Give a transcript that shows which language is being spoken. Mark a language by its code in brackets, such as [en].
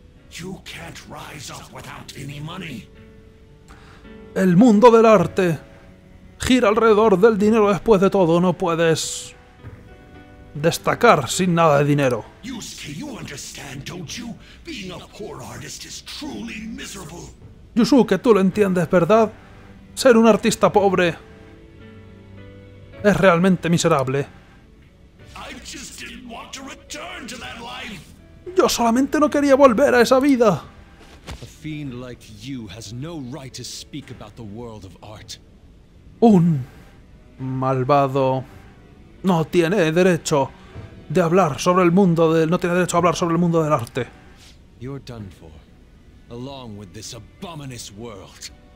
[en] You can't rise up without any money. [es] El mundo del arte gira alrededor del dinero después de todo. No puedes destacar sin nada de dinero. [en] Yusuke, you understand, don't you? Being a poor artist is truly miserable. [es] Yusuke, tú lo entiendes, ¿verdad? Ser un artista pobre es realmente miserable. [en] I just didn't want to return to that life. [es] Yo solamente no quería volver a esa vida. [en] A fiend like you has no right to speak about the world of art. [es] Un malvado no tiene derecho de hablar sobre el mundo del arte. [en] You're done for, along with this abominous world.